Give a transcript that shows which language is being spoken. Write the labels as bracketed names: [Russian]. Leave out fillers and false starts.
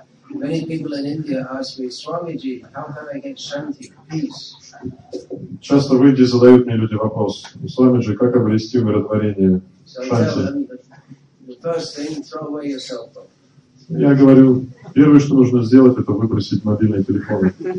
[English] Many people in India ask me, Swamiji, how can I get shanti, peace? [Russian] Часто в Индии задают мне люди вопрос, Свамиджи, как обрести умиротворение, шанти? [English] The first thing, throw away your cell phone. [Russian] Я говорю, первое, что нужно сделать, это выбросить мобильные телефоны.